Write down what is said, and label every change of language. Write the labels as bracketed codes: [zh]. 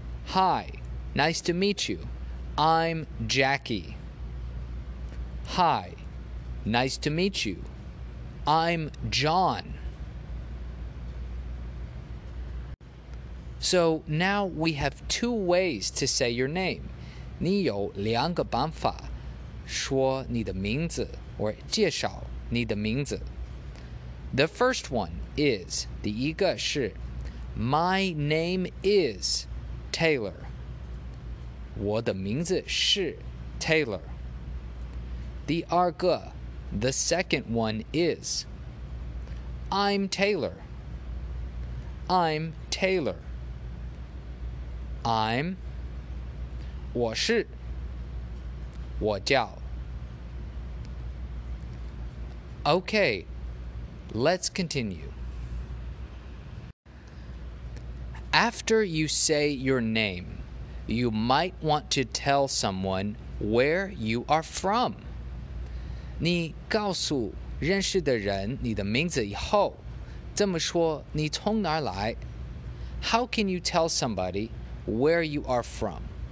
[en] Hi, nice to meet you. I'm Jackie. Hi, nice to meet you. I'm John. So now we have two ways to say your name. [zh] 你有两个办法说你的名字或介绍你的名字。 [en] The first one is, [zh] 第一个是 [en] My name is Taylor. [zh] 我的名字是 Taylor. 第二个, [en] the second one is, I'm Taylor. I'm Taylor. I'm, [zh] 我是,我叫。 [en] Okay, let's continue. After you say your name, you might want to tell someone where you are from. [zh] 你告诉认识的人你的名字以后，这么说你从哪来 [en] ？How can you tell somebody where you are from？